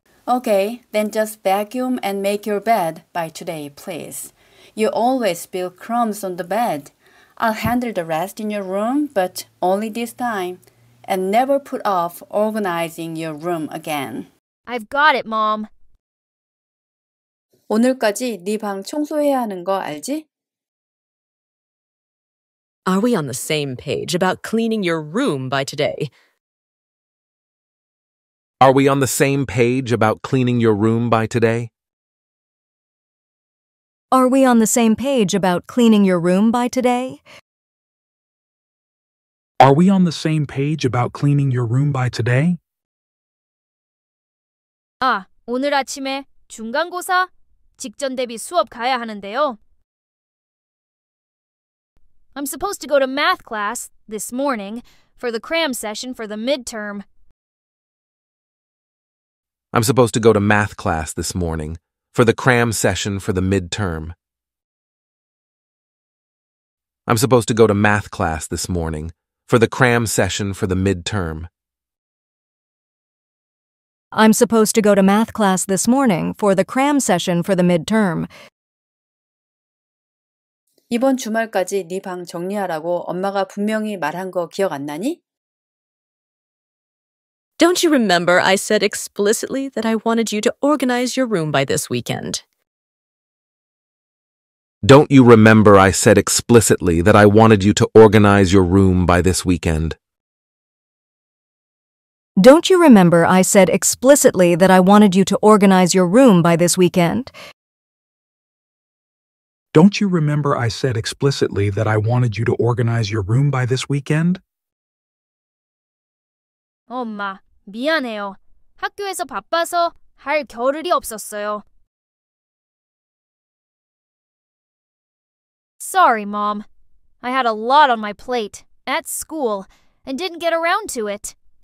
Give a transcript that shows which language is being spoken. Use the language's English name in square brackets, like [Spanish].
[English] Okay, then just vacuum and make your bed by today, please. You always spill crumbs on the bed. I'll handle the rest in your room, but only this time. And never put off organizing your room again. I've got it, Mom. [Korean] 오늘까지 네 방 청소해야 하는 거 알지? [English] Are we on the same page about cleaning your room by today? Are we on the same page about cleaning your room by today? Are we on the same page about cleaning your room by today? Are we on the same page about cleaning your room by today? [Korean] 아, 오늘 아침에 중간고사 직전 대비 수업 가야 하는데요. [English] I'm supposed to go to math class this morning for the cram session for the midterm. I'm supposed to go to math class this morning for the cram session for the midterm. I'm supposed to go to math class this morning for the cram session for the midterm. I'm supposed to go to math class this morning for the cram session for the midterm. [Korean] 이번 주말까지 네 방 정리하라고 엄마가 분명히 말한 거 기억 안 나니? [English] Don't you remember I said explicitly that I wanted you to organize your room by this weekend? Don't you remember I said explicitly that I wanted you to organize your room by this weekend? Don't you remember I said explicitly that I wanted you to organize your room by this weekend? Don't you remember I said explicitly that I wanted you to organize your room by this weekend? [Korean] Oh, ma. 미안해요. 학교에서 바빠서 할 겨를이 없었어요. [English] Sorry, Mom. I had a lot on my plate at school and didn't get around to it.